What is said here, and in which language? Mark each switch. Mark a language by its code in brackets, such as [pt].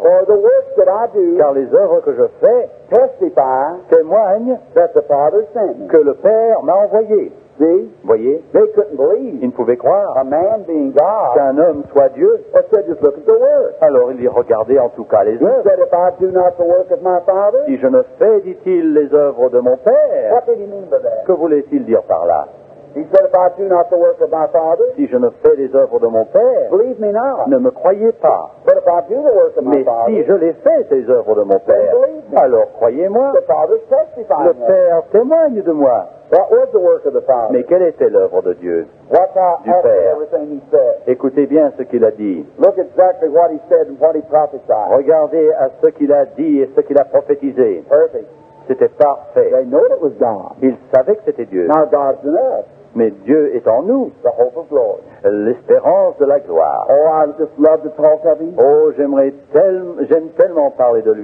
[en] For the works that I do. [fr] Car les œuvres que je fais. [en] Testify. [fr] Témoignent. [en] That the Father sent me. [fr] Que le Père m'a envoyé. Voyez, [en] they couldn't believe. [fr] Ils ne pouvaient croire [en] a man being God, [fr] qu'un homme soit Dieu. [en] Said, just look at the work. [fr] Alors il dit, regardez en tout cas les œuvres. [en] He said, if I do not the work of my father, [fr] si je ne fais, dit-il, les œuvres de mon père, [en] what did he mean by that? [fr] Que voulait-il dire par là? [en] He said, if I do not the work of my father, [fr] si je ne fais les œuvres de mon père, [en] believe me not. [fr] Ne me croyez pas. [en] But if I do the work of my [fr] mais [en] father, [fr] si je les fais, ces œuvres de mon père, [en] believe me. [fr] Alors croyez-moi. [en] The father's testifying. [fr] Le père témoigne de moi. [en] What was the work of the Father? [fr] Mais quelle était l'œuvre de Dieu? [en] Watch out [fr] du Père. [en] Everything he said. [fr] Écoutez bien ce qu'il a dit. [en] Look exactly what he said and what he prophesied. [fr] Regardez à ce qu'il a dit et ce qu'il a prophétisé. [en] Perfect. [fr] C'était parfait. [en] They know it was God. [fr] Ils savaient que c'était Dieu. [en] Now God's in us. [fr] Mais Dieu est en nous. [en] The hope of glory. [fr] L'espérance de la gloire. [en] Oh, I just love to talk of him. [fr] Oh, j'aime tellement parler de lui.